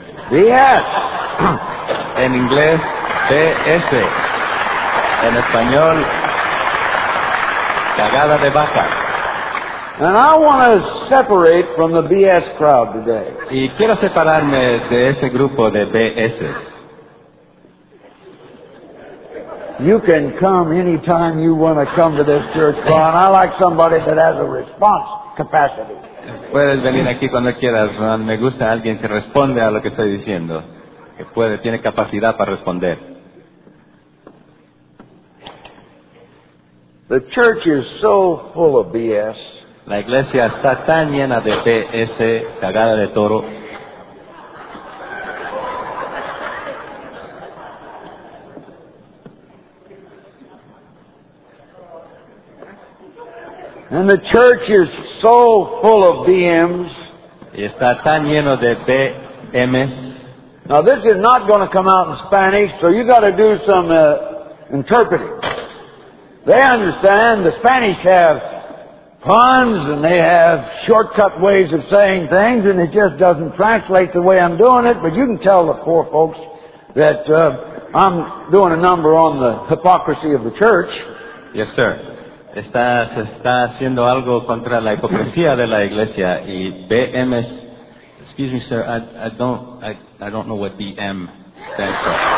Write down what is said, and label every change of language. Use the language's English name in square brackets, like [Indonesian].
[English] BS. [Spanish] En inglés, BS. En español, cagada de vaca. [English] And I want to separate from the BS crowd today. [Spanish] Y quiero separarme de ese grupo de BS. [English] You can come anytime you want to come to this church, Ron. I like somebody that has a response capacity. [Spanish] Puedes venir aquí cuando quieras, Ron. Me gusta alguien que responde a lo que estoy diciendo. Que puede, tiene capacidad para responder. [English] The church is so full of BS. [Spanish] La iglesia está tan llena de BS, cagada de toro. [English] And the church is so full of BMs. [Spanish] Y está tan lleno de BMs. [English] Now this is not going to come out in Spanish, so you got to do some interpreting. They understand the Spanish have puns and they have shortcut ways of saying things, and it just doesn't translate the way I'm doing it. But you can tell the poor folks that I'm doing a number on the hypocrisy of the church. Yes, sir. [Spanish] Está haciendo algo contra la hipocresía de la iglesia y BMs. [English] Excuse me, sir. I don't know what BM stands for.